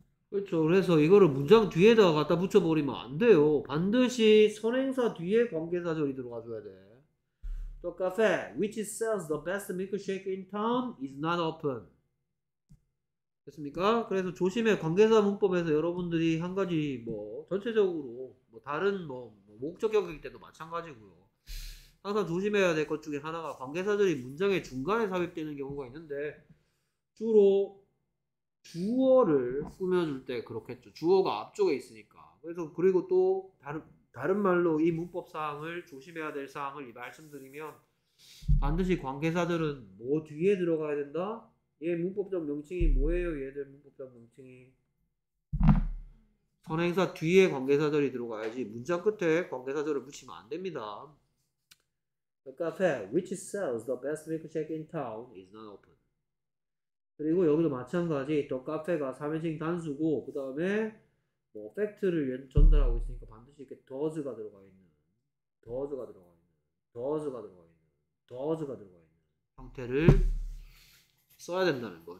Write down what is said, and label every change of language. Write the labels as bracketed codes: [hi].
[ko] 그렇죠. 그래서 이거를 문장 뒤에다가 갖다 붙여버리면 안 돼요. 반드시 선행사 뒤에 관계사절이 들어가 줘야 돼. [en] The cafe which sells the best milkshake in town is not open. [ko] 됐습니까? 그래서 조심해. 관계사 문법에서 여러분들이 한 가지 뭐 전체적으로 뭐 다른 뭐 목적격일 때도 마찬가지고요. 항상 조심해야 될것 중에 하나가 관계사절이 문장의 중간에 삽입되는 경우가 있는데, 주로 주어를 꾸며줄 때 그렇겠죠. 주어가 앞쪽에 있으니까. 그래서 그리고 또 다른 말로 이 문법 사항을 조심해야 될 사항을 말씀드리면, 반드시 관계사들은 뭐 뒤에 들어가야 된다? 얘 문법적 명칭이 뭐예요? 얘들 문법적 명칭이 선행사 뒤에 관계사들이 들어가야지 문장 끝에 관계사들을 붙이면 안 됩니다. [en] The cafe which sells the best milkshake in town is not open. [ko] 그리고 여기도 마찬가지, 더 카페가 3인칭 단수고, 그 다음에 뭐 팩트를 전달하고 있으니까 반드시 이렇게 더즈가 들어가 있는, 더즈가 들어가 있는, 더즈가 들어가 있는, 더즈가 들어가 있는 형태를 써야 된다는 거.